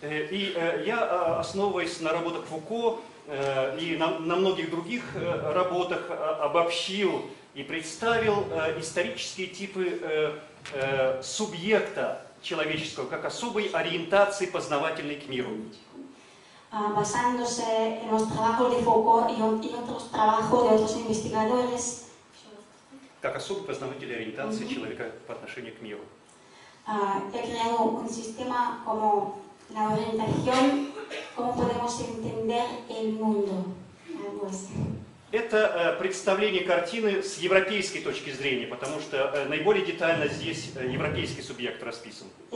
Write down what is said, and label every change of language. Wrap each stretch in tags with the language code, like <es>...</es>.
<ru>И я, основываясь на работах Фуко и на многих других работах, обобщил и представил исторические типы субъекта человеческого как особой ориентации познавательной к миру.</ru> <es>Basándose en los trabajos de Foucault y otros trabajos de otros investigadores.</es> <ru>Как особый познаватель ориентации человека по отношению к миру.</ru> <es>He creado un sistema como la orientación, cómo podemos entender el mundo.</es> <ru>Это представление картины с европейской точки зрения, потому что наиболее детально здесь европейский субъект расписан.</ru>